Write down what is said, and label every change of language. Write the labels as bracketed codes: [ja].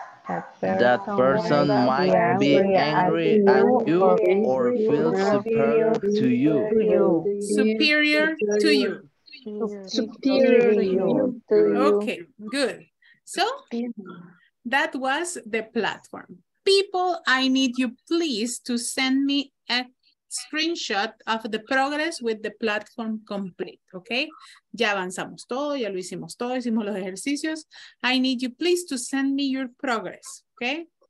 [en] Okay, good. So that was the platform. People, I need you please to send me a screenshot of the progress with the platform complete, okay? [es] Ya avanzamos todo, ya lo hicimos todo, hicimos los ejercicios. [en] I need you please to send me your progress, okay?